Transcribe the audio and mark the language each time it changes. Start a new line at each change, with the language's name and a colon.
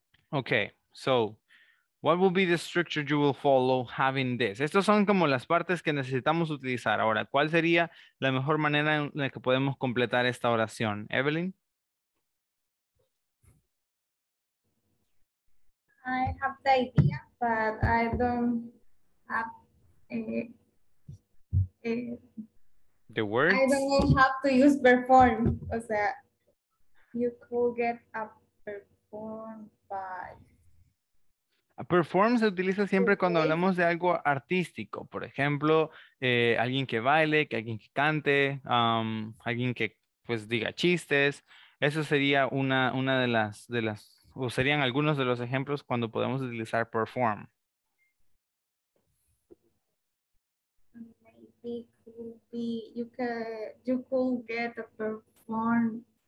English: Okay, so what will be the structure you will follow having this?
Spanish: Estos son como las partes que necesitamos utilizar. Ahora, ¿cuál sería la mejor manera en la que podemos completar esta oración? Evelyn?
English: I have the idea, but I don't have the words? I don't have to use perform. O sea, you could get a perform.
Spanish: A perform se utiliza siempre cuando hablamos de algo artístico, por ejemplo, alguien que baile, que alguien que cante, alguien que pues diga chistes. Eso sería una de las o serían algunos de los ejemplos cuando podemos utilizar perform.
English: Maybe could be you could get a perform